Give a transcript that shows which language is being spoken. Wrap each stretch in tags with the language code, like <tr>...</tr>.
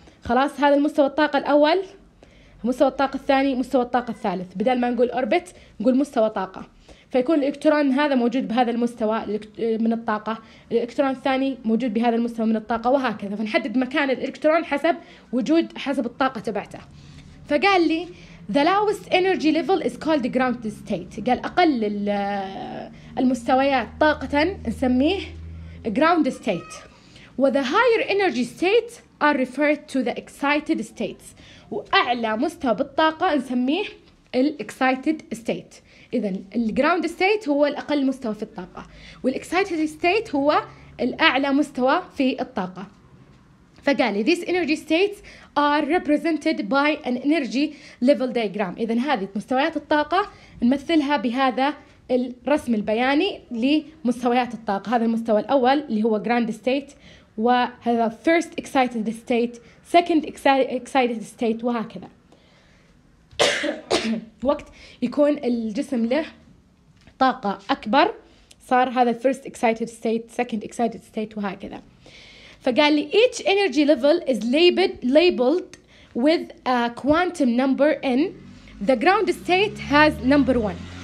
<ar>خلاص هذا المستوى الطاقة الأول، مستوى الطاقة الثاني، مستوى الطاقة الثالث، بدل ما نقول أوربت نقول مستوى طاقة. فيكون الإلكترون هذا موجود بهذا المستوى من الطاقة، الإلكترون الثاني موجود بهذا المستوى من الطاقة وهكذا. فنحدد مكان الإلكترون حسب وجود حسب الطاقة تبعته. فقال لي</ar> <en>the lowest energy level is called the ground state.</en> <ar>قال أقل المستويات طاقة نسميه ground state.</ar> <en>وthe higher energy state are referred to the excited states.</en> <ar>وأعلى مستوى بالطاقة نسميه excited state. إذن الground state هو الأقل مستوى في الطاقة، والexcited state هو الأعلى مستوى في الطاقة. فقال</ar> <en>these energy states are represented by an energy level diagram.</en> <ar>إذن هذه مستويات الطاقة نمثلها بهذا الرسم البياني لمستويات الطاقة. هذا المستوى الأول اللي هو ground state، وهذا first excited state، second excited state، وهكذا. وقت يكون الجسم له طاقة أكبر صار هذا first excited state، second excited state، وهكذا. فقال لي</ar> <en>each energy level is labeled with a quantum number n. The ground state has number one.</en>